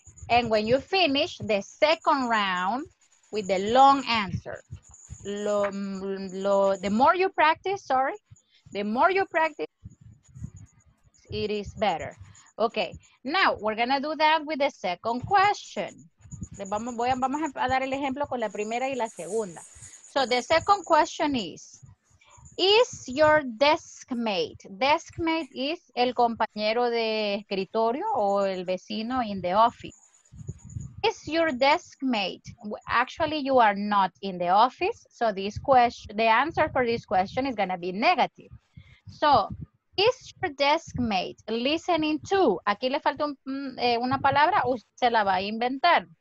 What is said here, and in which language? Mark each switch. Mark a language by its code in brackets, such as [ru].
[en] And when you finish the second round with the long answer, the more you practice, the more you practice, it is better. Okay, now we're gonna do that with the second question. [es] Vamos a dar el ejemplo con la primera y la segunda. [en] So the second question is your deskmate? [es] Deskmate is el compañero de escritorio o el vecino [en] in the office. Is your deskmate? Actually, you are not in the office. So this question, the answer for this question is gonna be negative. So, is your deskmate listening to? [es] Aquí le falta una palabra, usted se la va a inventar.